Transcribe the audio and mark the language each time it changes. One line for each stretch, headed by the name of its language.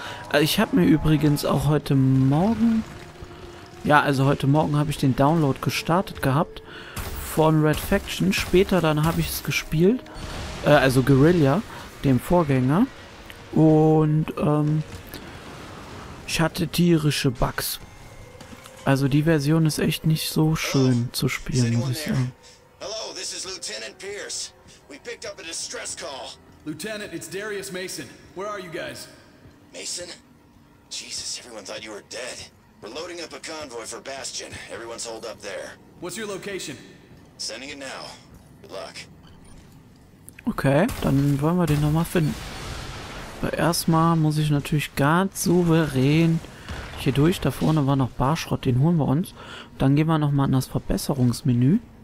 German: Also ich habe mir übrigens auch heute Morgen... Ja, also heute Morgen habe ich den Download gestartet gehabt von Red Faction. Später dann habe ich es gespielt. Also Guerilla, dem Vorgänger. Und, ich hatte tierische Bugs. Also die Version ist echt nicht so schön zu spielen, muss ich sagen.
English: Hallo, this is Lieutenant Pierce. We picked up a distress call. Lieutenant, it's Darius Mason. Where are you guys? Mason? Jesus, everyone thought you were dead. We're loading up a convoy for Bastion. Everyone's holed up there. What's your location? Sending it now. Good luck.
German: Okay, dann wollen wir den nochmal finden. Aber erstmal muss ich natürlich ganz souverän hier durch. Da vorne war noch Barschrott, den holen wir uns. Dann gehen wir nochmal in das Verbesserungsmenü.